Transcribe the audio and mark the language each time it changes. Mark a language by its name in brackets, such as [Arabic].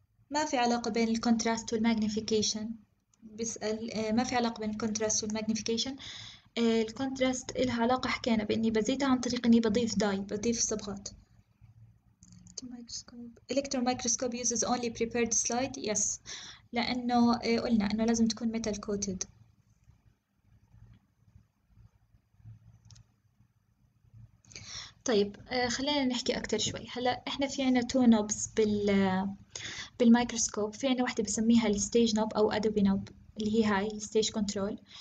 [Arabic] ما في علاقة بين الكونتراست والماجنيفيكيشن، بيسأل ما في علاقة بين الكونتراست والماجنيفيكيشن. الكونتراست إلها علاقة، حكينا بإني بزيدها عن طريق إني بضيف داي، بضيف صبغات. [English] Electron microscope uses only prepared slide. [Arabic] yes، لأنه قلنا إنه لازم تكون [English] metal coated. [Arabic] طيب خلينا نحكي أكتر شوي. هلأ إحنا في عنا تو نوبس بالمايكروسكوب. في عنا واحدة بسميها الستيج نوب أو أدوبي نوب، اللي هي هاي الستيج كنترول.